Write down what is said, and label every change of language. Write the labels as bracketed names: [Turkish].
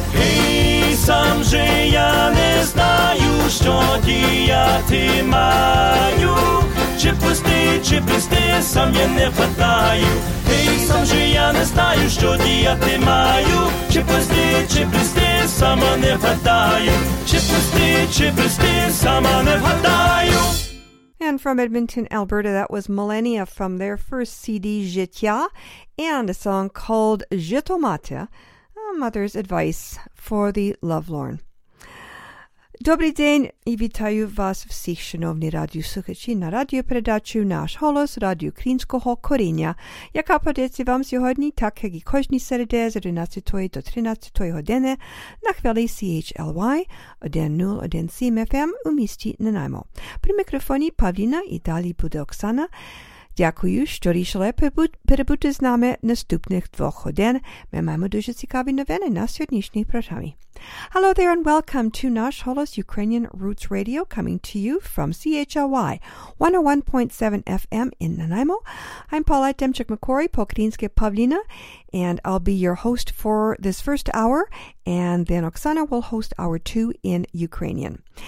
[Ukrainian] І сам же я не знаю, що діяти маю, чи пусти, чи пусти, сам я не вгадаю. Сам же я не знаю, що діяти маю, чи пусти, чи пусти, сама не вгадаю, чи пусти, чи пусти, сама не вгадаю. [English] And from Edmonton, Alberta, that was Millennia from their first CD, Життя, and a song called Жито Мати, Mother's Advice for the Lovelorn. [Ukrainian] Добрий день і вітаю вас всіх, шановні радіослухачі, на радіопередачу «Наш голос» Радіо Українського коріння, яка подається вам сьогодні, так як і кожні середи з 11 до 13 години на хвилі CHLY 101.7 FM у місті Нанаймо. При мікрофоні Павліна і далі буде Оксана. Дякую, що рішили перебути з нами наступних двох годин. Ми маємо дуже цікаві новини на сьогоднішній програмі. [English] Hello there and welcome to Nash Holos Ukrainian Roots Radio, coming to you from CHLY 101.7 FM in Nanaimo. I'm Paulette Demchuk-McCory, Pokrinske Pavlina, and I'll be your host for this first hour, and then Oksana will host hour two in Ukrainian.